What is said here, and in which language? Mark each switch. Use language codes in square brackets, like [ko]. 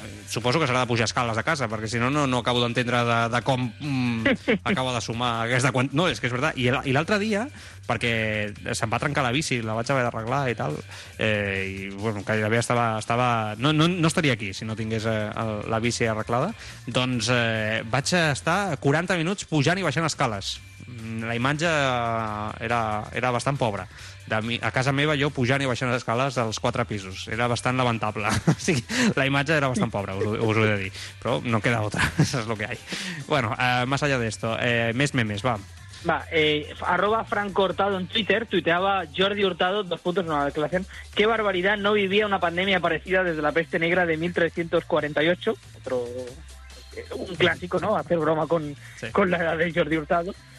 [ca] Suposo que s'haurà de pujar escales a casa, perquè si no acabo d'entendre de com acaba de sumar aquesta quantitat. No, és que és veritat. I l'altre dia, perquè se'm va trencar la bici, la vaig haver d'arreglar i tal, i bueno, gairebé estava... No estaria aquí si no tingués la bici arreglada. Doncs vaig estar 40 minuts pujant i baixant escales. La imatge era bastant pobra. A casa meva, jo pujant i baixant les escales als 4 pisos. Era bastant lamentable. O sigui, la imatge era bastant pobra, us ho he de dir. Però no queda otra, això és el que hi ha. Bueno, [es] más allá de esto, [ca] més memes, va. [es] Va, @FrancoHurtado en Twitter, tuiteava Jordi Hurtado, 2 puntos, una declaración. Qué barbaridad, no vivía una pandemia parecida desde la peste negra de 1348. Otro, un clásico, ¿no? Hacer broma con la edad de Jordi Hurtado.